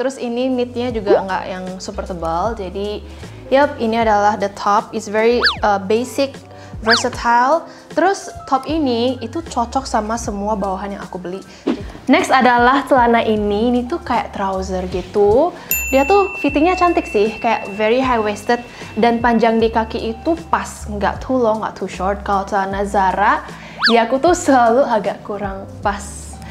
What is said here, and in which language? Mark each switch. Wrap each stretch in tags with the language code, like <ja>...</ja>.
<id>Terus ini knit-nya juga nggak yang super tebal. Jadi yep, ini adalah the top.</id> <en>It's very basic, versatile.</en> <id>Terus top ini itu cocok sama semua bawahan yang aku beli. Next adalah celana ini. Ini tuh kayak trouser gitu. Dia tuh fittingnya cantik sih, kayak</id> <en>very high waisted</en> <id>dan panjang di kaki itu pas, nggak</id> <en>too long,</en> <id>nggak</id> <en>too short.</en> <id>Kalau celana Zara, di aku tuh selalu agak kurang pas.</id>